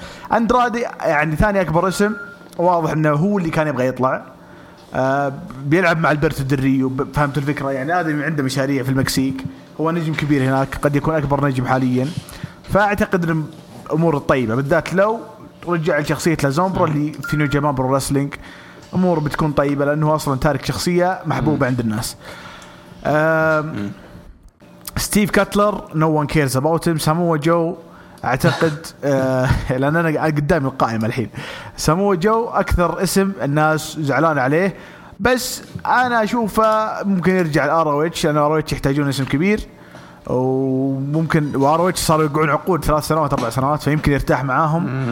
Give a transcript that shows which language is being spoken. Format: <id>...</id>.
<ar>واندرادي يعني ثاني اكبر اسم، واضح انه هو اللي كان يبغى يطلع بيلعب مع البرتو دري، وفهمت الفكره يعني ادم عنده مشاريع في المكسيك، هو نجم كبير هناك، قد يكون اكبر نجم حاليا. فاعتقد الامور طيبه، بالذات لو رجع شخصيه لازومبرا اللي في نيو جابان برو رسلينج، امور بتكون طيبه لانه اصلا تارك شخصيه محبوبه عند الناس.</ar> <en>Steve Cutler no one cares about him.</en> <ar>سامو جو اعتقد لان انا قدامي القائمة الحين، سامو جو اكثر اسم الناس زعلان عليه، بس انا اشوفه ممكن يرجع الاروتش، لان الاروتش يحتاجون اسم كبير، وممكن واروتش صاروا يقعون عقود 3 سنوات 4 سنوات، فيمكن يرتاح معاهم.</ar>